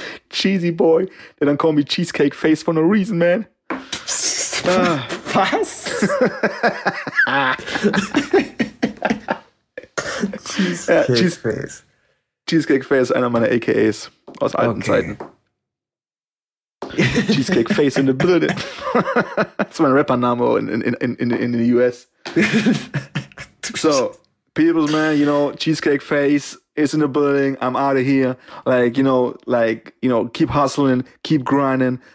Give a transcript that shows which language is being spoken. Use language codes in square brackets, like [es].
[en] Cheesy Boy. [de] Ja, dann [en] call me Cheesecake Face for no reason, man. [de] Was? Cheesecake Face ist einer meiner AKAs aus alten Zeiten. [en] Cheesecake Face in the building. [de] Das ist mein Rappername [en] in the US. So, people's man, you know, Cheesecake Face is in the building. I'm out of here. Like, you know, keep hustling, keep grinding.